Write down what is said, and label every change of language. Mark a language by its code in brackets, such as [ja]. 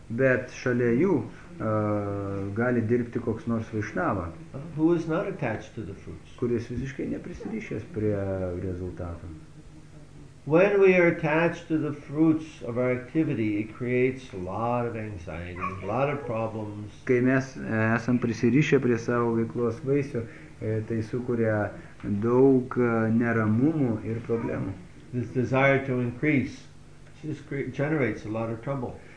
[lt] Bet šalia jų gali dirbti koks nors Vaishnava. [en] Who is not attached to the fruits. [lt] Kuris visiškai neprisirišęs prie rezultatų. [en] When we are attached to the fruits of our activity, it creates a lot of anxiety, a lot of problems. [lt] Kai mes esam prisirišę prie savo veiklos vaisių, tai sukuria daug neramumų ir problemų. [en] this desire to increase just generates a lot of trouble.